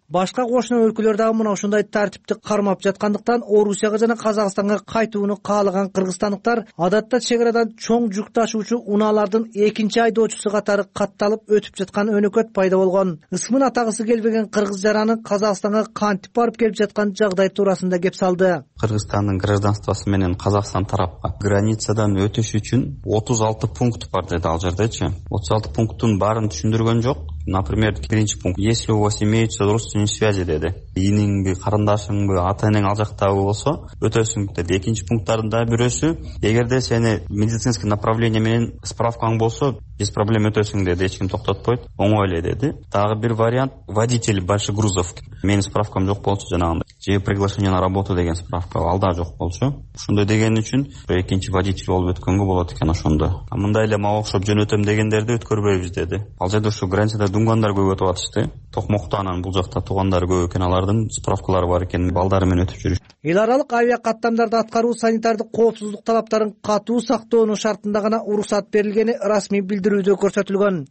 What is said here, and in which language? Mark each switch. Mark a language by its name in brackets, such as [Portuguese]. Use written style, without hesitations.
[Kyrgyz] Башка кошуна өлкөлөр дагы мына ушундай тартипти кармап жаткандыктан Орусияга жана Казакстанга кайтууну каалаган кыргызстандыктар адатта чек арадан чоң жүк ташуучу унаалардын экинчи айдоочусу катары катталып өтүп жаткан өнөкөт пайда болгон. Ысмын атагысы келбеген кыргыз жараны Казакстанга кантип барып келип жаткан жагдай туурасында кеп салды. Кыргызстандын гражданствосу менен Казакстан тарапка границадан өтүш үчүн 36 пункт бар деди ал жердечи. 36 пункттун баарын түшүндүргөн жок. [Russian] Например, [Kyrgyz] биринчи пункт: [Russian] если у вас имеются родственные связи, [Kyrgyz] деди. Ийниңби, карындашыңбы, ата энең ал жактабы болсо, өтөсүң деди. Экинчи пункттардын да бирөөсү: эгерде сени [Russian] медицинский направление [Kyrgyz] менен справкаң болсо, [Russian] без проблем [Kyrgyz] өтөсүң деди, эч ким токтотпойт, оңой эле деди. Дагы бир вариант: [Russian] водитель больших грузов. [Kyrgyz] Менин справкам жок болчу жанагындай. Же [Russian] приглашение на работу [Kyrgyz] деген справка ал да жок болчу. Ошондой деген үчүн экинчи водитель болуп өткөнгө болот экен ошондо. А мындай эле мага окшоп жөнөтөм дегендерди өткөрбөйбүз деди. Ал жерде ушул границада дүнгөндөр көбөтүп атышты. Токмокто анан бул жакта туугандар көп экен, алардын справкалары бар экен, балдары менен өтүп жүрүш. Эл аралык авиа каттамдарды аткаруу санитардык коопсуздук талаптарын катуу сактоонун шартында гана уруксат берилгени расмий билдирүүдө көрсөтүлгөн.